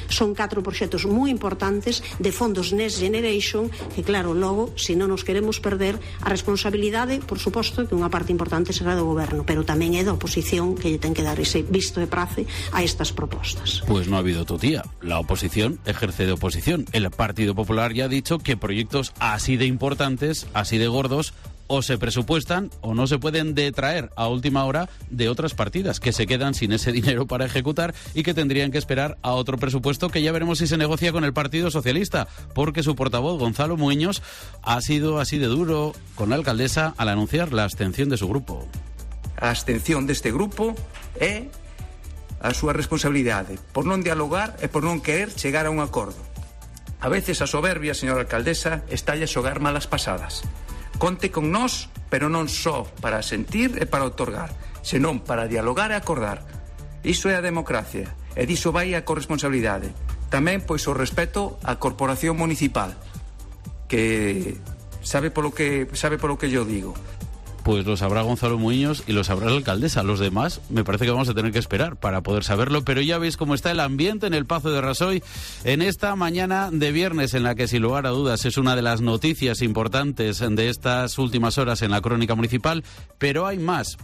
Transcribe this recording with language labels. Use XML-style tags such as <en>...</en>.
<gl>Son 4 proxectos moi importantes de fondos Next Generation, que claro, logo, se non nos queremos perder, a responsabilidade, por suposto, que unha parte importante será do goberno, pero tamén é da oposición que lle ten que dar ese visto de prace a estas propostas.</gl> <es>Pues no ha habido tutía. La oposición ejerce de oposición. El Partido Popular ya ha dicho que proyectos así de importantes, así de gordos, o se presupuestan o no se pueden detraer a última hora de otras partidas que se quedan sin ese dinero para ejecutar y que tendrían que esperar a otro presupuesto que ya veremos si se negocia con el Partido Socialista, porque su portavoz Gonzalo Muñoz ha sido así de duro con la alcaldesa al anunciar la abstención de su grupo.</es> <gl>A abstención deste grupo é a súa responsabilidade por non dialogar e por non querer chegar a un acordo. A veces a soberbia, señora alcaldesa, está a xogar malas pasadas. Conte con nós, pero non só para sentir e para otorgar, senón para dialogar e acordar. Iso é a democracia, e diso vai a corresponsabilidade. Tamén, pois, o respeto á corporación municipal, que sabe polo que yo digo.</gl> <es>Pues lo sabrá Gonzalo Muñoz y lo sabrá la alcaldesa. Los demás me parece que vamos a tener que esperar para poder saberlo, pero ya veis cómo está el ambiente en el Pazo de Rasoy en esta mañana de viernes, en la que sin lugar a dudas es una de las noticias importantes de estas últimas horas en la crónica municipal, pero hay más.</es>